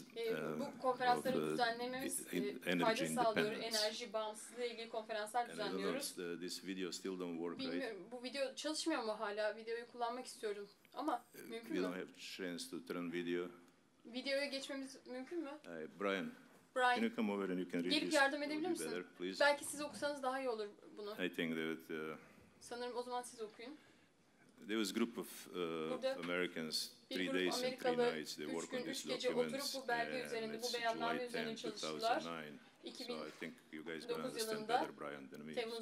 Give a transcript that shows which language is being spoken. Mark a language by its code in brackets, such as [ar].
[en] of energy independence. [tr] Enerji bağımsızlığı ilgili konferanslar düzenliyoruz. [en] This video still don't work, [tr] bilmiyorum, [en] right? [tr] Bu video çalışmıyor mu hala? Videoyu kullanmak istiyorum ama mümkün mü? [en] We don't have chance to turn video. [tr] Videoya geçmemiz mümkün mü? [en] Brian. Brian. Can you come over and you can read [tr] gelip yardım edebilir misin? Better, belki siz okusanız daha iyi olur bunu. [en] I think that, [tr] sanırım o zaman siz okuyun. [en] There was a group of Americans, 3 days and 3 nights, they work on these documents, and it's July 10, 2009, so I think you guys can understand better, Brian, than me.